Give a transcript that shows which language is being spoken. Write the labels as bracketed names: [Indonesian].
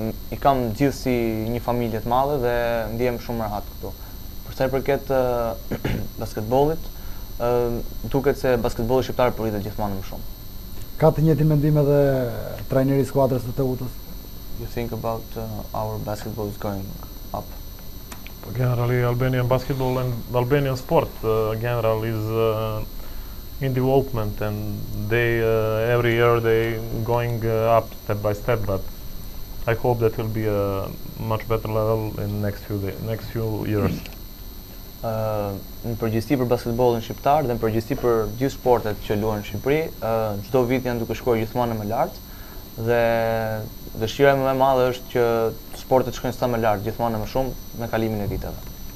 [Albanian] I kam gjithë si një familje të madhe dhe ndihem shumë rahat këtu. Për sa I përket basketbollit, duket se basketbolli shqiptar po rritet gjithmonë më shumë. Ka të njëjtin mendim edhe trajneri I skuadrës së Teutës? [English] You think about our basketball is going up? But generally, Albanian basketball and Albanian sport general is in development, and they every year they going up step by step. But I hope that will be a much better level in next few years. [Albanian] Në përgjithësi për basketbollin shqiptar dhe në përgjithësi për gjithë sportet që luajnë në Shqipëri, çdo vit janë duke shkuar gjithmonë më lart dhe dëshira më e madhe është që sportet shkojnë sa më lart, gjithmonë më shumë me kalimin e viteve.